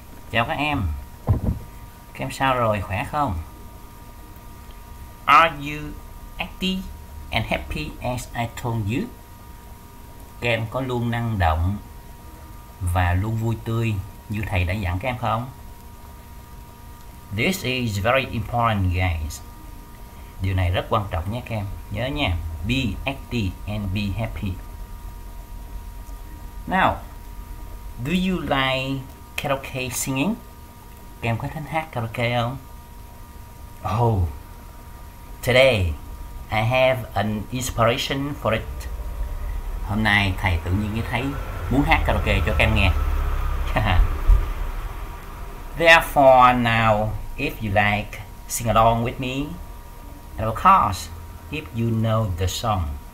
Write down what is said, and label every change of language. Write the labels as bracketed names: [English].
[Vietnamese] Chào các em sao rồi, khỏe không? [English] Are you active and happy as I told you? [Vietnamese] Các em có luôn năng động và luôn vui tươi như thầy đã dặn các em không? [English] This is very important, guys. [Vietnamese] Điều này rất quan trọng nhé các em. Nhớ nha, [English] be active and be happy. Now, do you like karaoke singing? [Vietnamese] Em có thích hát karaoke không? [English] Oh, today I have an inspiration for it. [Vietnamese] Hôm nay thầy tự nhiên thấy muốn hát karaoke cho em nghe. [English] Therefore, now, if you like, sing along with me. And of course, if you know the song.